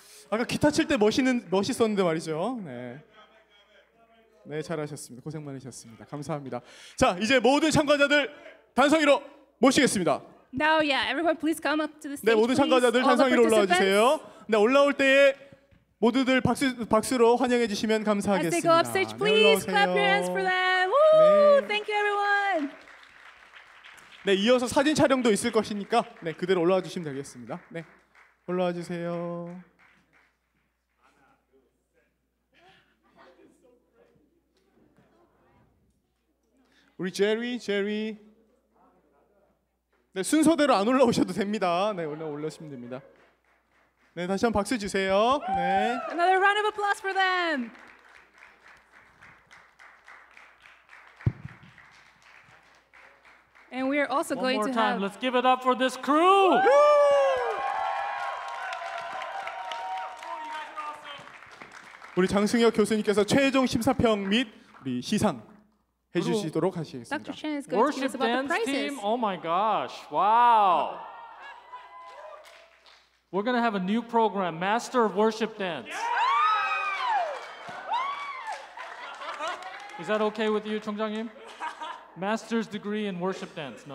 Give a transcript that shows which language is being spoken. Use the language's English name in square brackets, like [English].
[English] I thought you were cool when you were playing guitar. [Korean] 네, 잘하셨습니다. 고생 많으셨습니다. 감사합니다. 자, 이제 모든 참가자들 단성이로 모시겠습니다. [English] Now, yeah, everyone, please come up to the stage. [Korean] 네, 모든 참가자들 단성이로 올라와 주세요. 네, 올라올 때에 모두들 박수로 환영해 주시면 감사하겠습니다. [English] As they go upstage, please 네, clap your hands for them. Woo! 네. Thank you, everyone. [Korean] 네, 이어서 사진 촬영도 있을 것이니까 네, 그대로 올라와 주시면 되겠습니다. 네, 올라와 주세요. 우리 제리. 네, 순서대로 안 올라오셔도 됩니다. 네, 올라오시면 됩니다. 네, 다시 한번 박수 주세요. 네. [English] Another round of applause for them. 1 more time. Let's give it up for this crew. Woo! [Korean] 우리 장승혁 교수님께서 최종 심사평 및 우리 시상 해 주시도록 하시겠습니다. [English] Dr. Chen is going Worship to tell us about the prizes. Oh my gosh. Wow. We're going to have a new program, Master of Worship Dance. Is that okay with you, 총장님? Master's degree in worship dance.